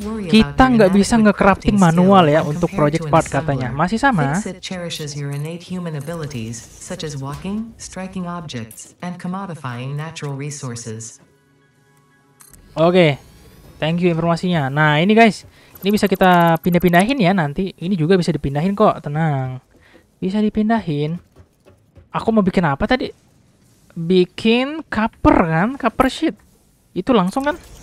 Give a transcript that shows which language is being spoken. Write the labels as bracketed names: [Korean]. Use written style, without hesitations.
[Indonesian] Kita nggak bisa nge-crafting manual ya untuk project part katanya. Masih sama. [English] Fixit cherishes your innate human abilities, such as walking, striking objects, and commodifying natural resources. [Indonesian] Oke, [English] thank you [Indonesian] informasinya. Nah, ini guys, ini bisa kita pindah-pindahin ya nanti. Ini juga bisa dipindahin kok, tenang. Bisa dipindahin. Aku mau bikin apa tadi? Bikin copper kan? Copper sheet. Itu langsung kan?